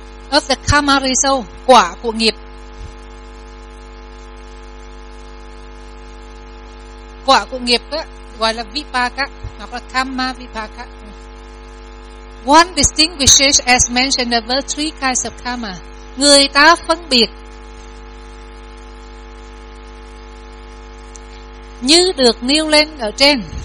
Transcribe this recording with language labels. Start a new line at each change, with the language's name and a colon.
English: Of the karma result
Vietnamese: quả của nghiệp. Quả của nghiệp đó, gọi là vipaka hoặc là karma vipaka.
English: One distinguishes as mentioned the three kinds of karma.
Vietnamese: Người ta phân biệt như được nêu lên ở trên.